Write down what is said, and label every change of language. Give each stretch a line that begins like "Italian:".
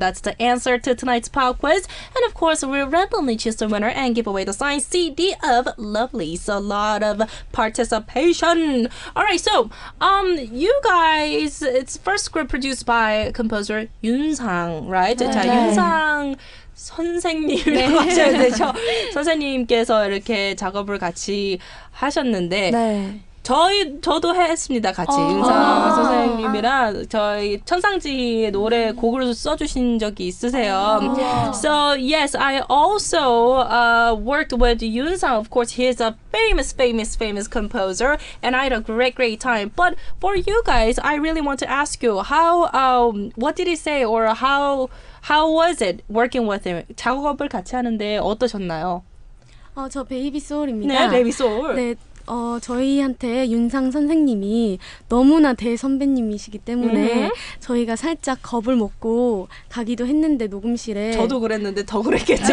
English: That's the answer to tonight's pop quiz. And of course, we'll randomly choose the winner and give away the signed CD of Lovely's. A lot of participation. All right, so you guys, it's first group produced by composer Yoon Sang, right?
Korean: Okay. 자, 윤상. 선생님이라고 하셔야 되죠. 선생님께서 이렇게 작업을 같이 하셨는데 네. 저도 했습니다. 같이 은상 선생님이랑 저희 천상지의 노래 곡을 써주신 적이 있으세요.
English: So yes, I also worked with Yoon-sang. Of course, he is a famous, famous, famous composer, and I had a great, great time. But for you guys, I really want to ask you how, what did he say, or how was it working with him?
Korean: 작업을 같이 하는데 어떠셨나요? 저 베이비 소울입니다. 네, 베이비 소울. 네. 저희한테 윤상 선생님이 너무나 대선배님이시기 때문에 저희가 살짝 겁을 먹고 가기도 했는데 녹음실에 저도 그랬는데 더 그랬겠죠.